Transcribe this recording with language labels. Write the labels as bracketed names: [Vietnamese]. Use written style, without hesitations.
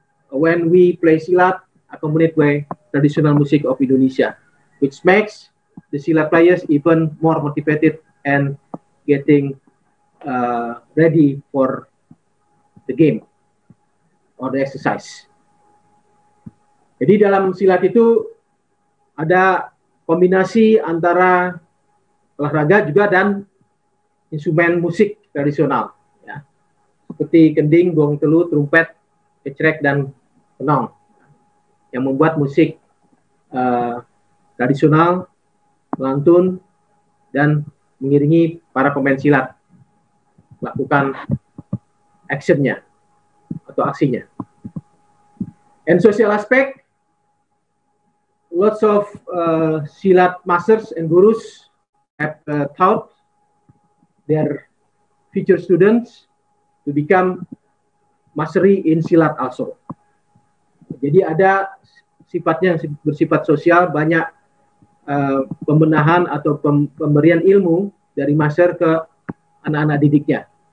[English] When we play silat, accompanied by traditional music of Indonesia, which makes the silat players even more motivated and getting ready for the game or the exercise. [Indonesian] Jadi dalam silat itu ada kombinasi antara olahraga juga dan instrumen musik tradisional, ya. Seperti kending, gong telu, trumpet, kecrek, dan kenong yang membuat musik tradisional, melantun, dan mengiringi para pemain silat melakukan action-nya atau aksinya. [English] And social aspect, lots of silat masters and gurus have taught their future students to become mastery in silat also. [Indonesian] Jadi ada sifatnya yang bersifat sosial, banyak pembenahan atau pemberian ilmu dari master ke anak-anak didiknya.